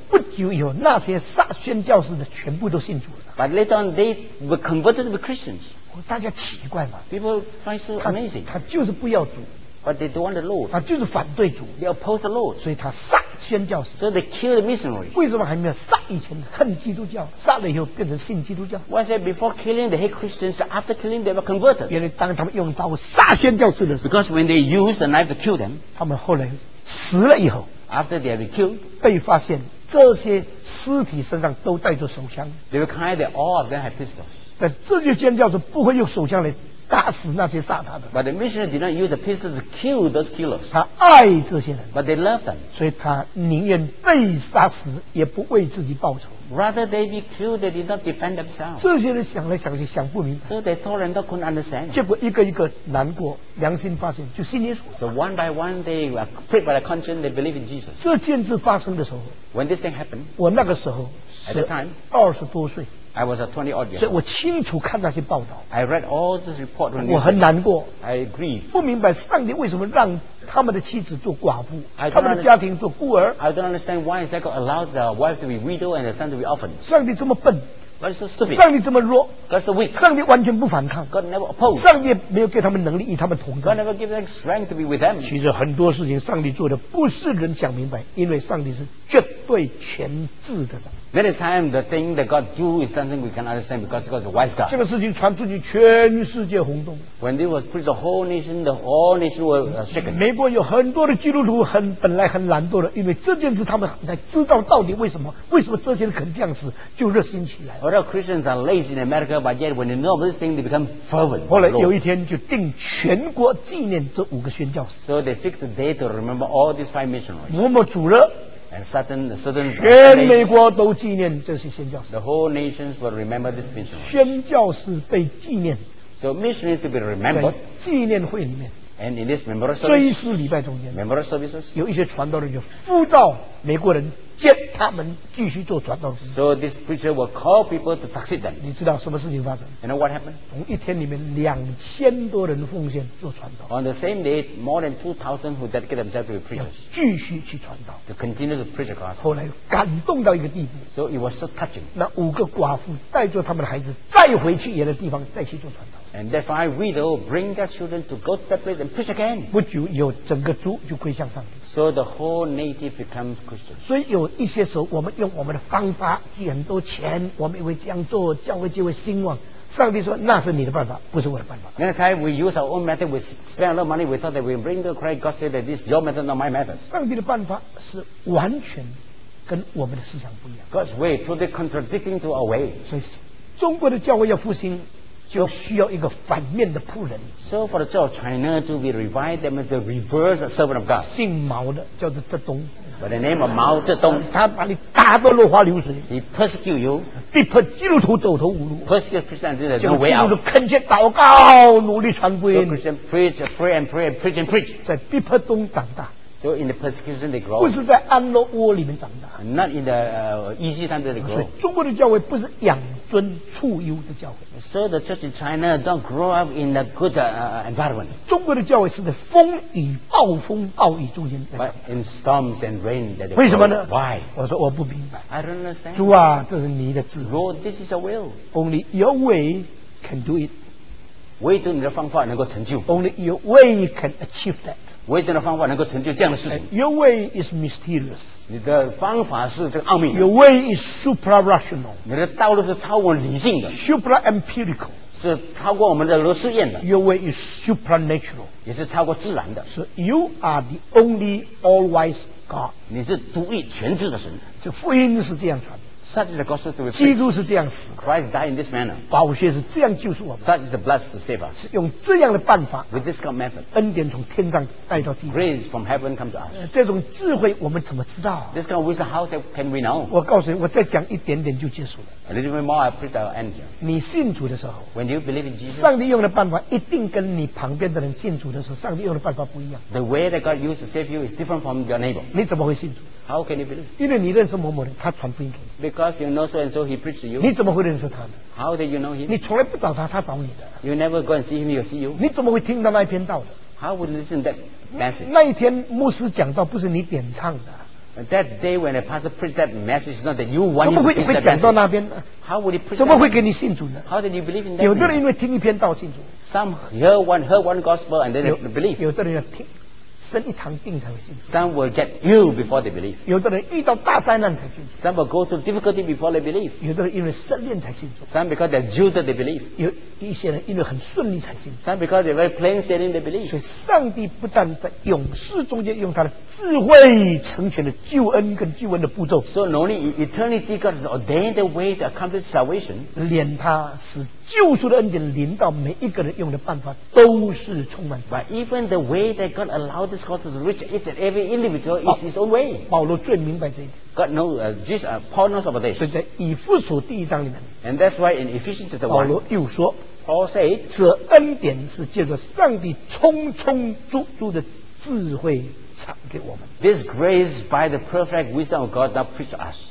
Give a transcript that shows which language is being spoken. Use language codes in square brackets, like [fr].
[zh] 不久以后，那些杀宣教士的全部都信主了。 [en] But later on, they were converted to Christians. [zh] 大家奇怪嘛 [en] ？People find so amazing. [zh] 他就是不要主。 [en] But they don't want the Lord. [zh] 他就是反对主。 [en] They oppose the Lord. [zh] 所以他杀。宣教士 [en] so they killed the missionary. [zh] 为什么还没有杀以前恨基督教杀了以后变成信基督教 [en] Why say before killing they hate Christians after killing they were converted [zh] 原来当他们用刀杀宣教士的时候 [en] Because when they used the knife to kill them [zh] 他们后来死了以后 [en] After they were killed [zh] 被发现这些尸体身上都带着手枪 [en] They were kind that all of them had pistols [zh] 但这些宣教士不会用手枪来打死那些杀他的。 [en] But the missionary did not use the pistol to kill those killers. [zh] 他爱这些人。 [en] But they love them. [zh] 所以他宁愿被杀死，也不为自己报仇。 [en] Rather they be killed, they did not defend themselves. [zh] 这些人想来想去想不明白。 [en] So they thought and couldn't understand. [zh] 结果一个一个难过，良心发现，就信耶稣。 [en] So one by one they prayed by the conscience, they believe in Jesus. [zh] 这件事发生的时候 [en] ，When this thing happened， [zh] 我那个时候 [en] ，At the time， [zh] 二十多岁。 [en] I was a 20 odd years. [zh] 所以我清楚看那些报道。 [en] I read all this report. [zh] 我很难过。 [en] I grieve. [zh] 不明白上帝为什么让他们的妻子做寡妇，他们的家庭做孤儿。 [en] I don't understand why is that God allowed the wife to be widow and the son to be orphan. [zh] 上帝这么笨。 [en] God is so stupid. [zh] 上帝这么弱。 [en] God is so weak. [zh] 上帝完全不反抗。 [en] God never opposed. [zh] 上帝没有给他们能力与他们同在。 [en] God never gave them strength to be with them. [zh] 其实很多事情上帝做的不是人想明白，因为上帝是绝对全智的神。 [en] Many times the thing that God do is something we can understand because God is a wise God. [zh] 这个事情传出去，全世界轰动。 [en] When it was preached, the whole nation, the all nation were shaken. [zh] 美国有很多的基督徒很本来很懒惰的，因为这件事他们才知道到底为什么这些人肯这样死，就热心起来。 [en] A lot of Christians are lazy in America, but yet when they know this thing, they become fervent. [zh] 后来有一天就定全国纪念这五个宣教士。 [en] So they fixed a day to remember all these five missionaries. [zh] 默默主日。 [en] And certain [zh] 全美国都纪念这些宣教士。 [en] The whole nations will remember this mission. [zh] 宣教士被纪念。 [en] So missionaries to be remembered. [zh] 纪念会里面。 [en] And in this memorial service, [zh] 追思礼拜中间 [en] memorial services, [zh] 有一些传道人就呼召美国人见他们继续做传道人 [en] So this preacher will call people to succeed them. [zh] 你知道什么事情发生 [en] You know what happened? [zh] 从一天里面2000多人奉献做传道 [en] On the same day, more than 2000 who dedicate themselves to the preachers [zh] 要继续去传道 [en] To continue to preach the gospel. [zh] 后来感动到一个地步 [en] So it was so touching. [zh] 那五个寡妇带着他们的孩子再回去原来的地方再去做传道 [en] And that five widow bring their children to go to that place and preach again. [zh] 不久有整个族就归向上帝。 [en] So the whole native becomes Christian. [zh] 所以有一些时候我们用我们的方法，寄很多钱，我们以为这样做教会就会兴旺。上帝说那是你的办法，不是我的办法。 [en] Many times we use our own method. We spend a lot of money. We thought that we bring to Christ. God said that this is your method, not my method. [zh] 上帝的办法是完全跟我们的思想不一样。 [en] God's way totally contradicting to our way. [zh] 所以中国的教会要复兴。就需要一个反面的仆人。 [en] So for the church of China to be revived, them is the reverse servant of God. [zh] 姓毛的叫做泽东。 [en] By the name of Mao Zedong, [zh] 他把你打到落花流水。 [en] He persecute you. [zh] 逼迫基督徒走投无路。 [en] Persecute Christians in the no way out. [zh] 基督徒恳切祷告，努力传福音。 [en] So Christians preach, pray and pray, and preach and preach. [zh] 在逼迫中长大。 [en] So in the persecution they grow. [zh] 不是在安乐窝里面长大。 [en] Not in the easy time that they grow. [zh] 所以中国的教会不是养。尊处优的教会 [en] So the church in China don't grow up in a good environment [zh] 中国的教会是在风雨暴风暴雨中间 [en] But in storms and rain that they [zh] 为什么呢 [en] Why? [zh] 我说我不明白 [en] I don't understand [zh] 主啊这是你的智慧 [en] Lord this is your will Only your way can do it [zh] 唯独你的方法能够成就 [en] Only your way can achieve that [zh] 唯独你的方法能够成就这样的事情 [en] Your way is mysterious [zh] 你的方法是这个奥秘。 [en] Your way is supra-rational. [zh] 你的道路是超过理性的。 [en] Supra-empirical. [zh] 是超过我们的罗斯宴的。 [en] Your way is supernatural. [zh] 也是超过自然的。 [en] So you are the only all-wise God. [zh] 你是独一全知的神。这福音是这样传的。 [en] Such is the gospel to be preached. [zh] 基督是这样死。 [en] Christ died in this manner. [zh] 宝血是这样救赎我们。 [en] Such is the blood to save us. [zh] 是用这样的办法。 [en] With this kind of method. [zh] 恩典从天上带到地上。 [en] Grace from heaven come to us. [zh] 这种智慧我们怎么知道？ [en] This kind of wisdom how can we know? [zh] 我告诉你，我再讲一点点就结束了。 [en] A little bit more, I preach our end. [zh] 你信主的时候。 [en] When you believe in Jesus. [zh] 上帝用的办法一定跟你旁边的人信主的时候，上帝用的办法不一样。 [en] The way that God used to save you is different from your neighbor. [zh] 你怎么会信主？ [en] How can you believe? [zh] 因为你认识某某人，他传福音给你。 [en] Because you know so and so, he preached to you. [zh] 你怎么会认识他呢 [en] ？How did you know him? [zh] 你从来不找他，他找你的。 [en] You never go and see him, he will see you. [zh] 你怎么会听到那一篇道的 [en] ？How would you listen that message? [zh] 那一天牧师讲道不是你点唱的。 [en] That day when the pastor preached that message, not that you want to preach that message. [zh] 怎么会讲到那边呢 [en] ？How would he preach? [zh] 怎么会给你信主呢 [en] ？How did you believe in that? [zh] 有的人因为听一篇道信主。 [en] Some heard one gospel and then they believe. [zh] 有的人要听。生一场病才会信主。 [en] Some will get ill before they believe. [zh] 有的人遇到大灾难才信主。 [en] Some will go through difficulty before they believe. [zh] 有的人因为失恋才信主。 [en] Some because they're Jewish they believe. [zh] 有一些人因为很顺利才信主。 [en] Some because they're very plain sailing they believe. [zh] 所以上帝不但在勇士中间用他的智慧成全了救恩跟救恩的步骤。 [en] So not only in eternity God has ordained a way to accomplish salvation. [zh] 连他使救赎的恩典临到每一个人用的办法都是充满。 [en] But even the way that God allowed this God to reach each and every individual is his own way. [zh] 保罗最明白这一点。 [en] God knows, Paul knows about this. [zh] 所以在以弗所第一章里面。 [en] And that's why in Ephesians chapter 1, [zh] 保罗又说 [en] ，Paul said, [zh] 这恩典是借着上帝充充足足的智慧赏给我们。 [en] This grace by the perfect wisdom of God that preached us.